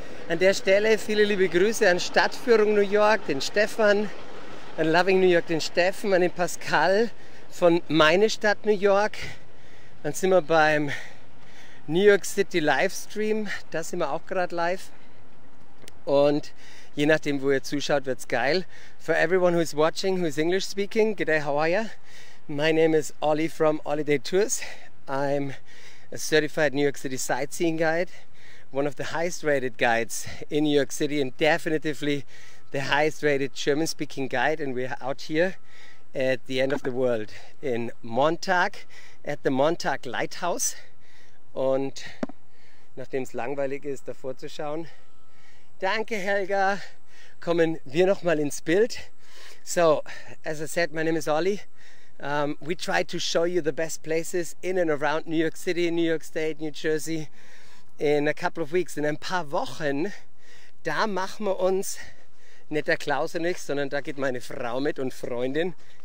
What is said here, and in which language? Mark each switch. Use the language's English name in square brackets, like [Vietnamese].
[German] An der Stelle viele liebe Grüße an Stadtführung New York, den Stefan, an Loving New York, den Steffen, an den Pascal von Meine Stadt New York. Dann sind wir beim New York City Livestream, da sind wir auch gerade live. Und je nachdem, wo ihr zuschaut, wird's geil. [English] For everyone who is watching, who is English speaking, g'day, how are ya? My name is Ollie from Holiday Tours. I'm a certified New York City sightseeing guide, one of the highest rated guides in New York City and definitively the highest rated German speaking guide. And we're out here at the end of the world in Montag, at the Montag Lighthouse. [German] Und nachdem es langweilig ist, davor zu schauen, danke, Helga. Kommen wir noch mal ins Bild. [English] So, as I said, my name is Ollie. We try to show you the best places in and around New York City, New York State, New Jersey in a couple of weeks. [German] In ein paar Wochen, da machen wir uns, nicht der Klaus und ich, sondern da geht meine Frau mit und Freundin.